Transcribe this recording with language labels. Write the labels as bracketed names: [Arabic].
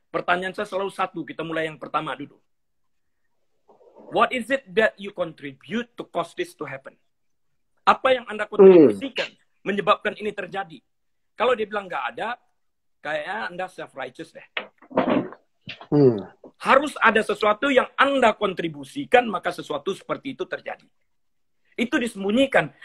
[Indonesian] Pertanyaan saya selalu satu. Kita mulai yang pertama dulu. [English] What is it that you contribute to cause this to happen? [Indonesian] Apa yang Anda kontribusikan menyebabkan ini terjadi? Kalau dia bilang nggak ada, kayaknya Anda self-righteous deh. Harus ada sesuatu yang Anda kontribusikan, maka sesuatu seperti itu terjadi. Itu disembunyikan.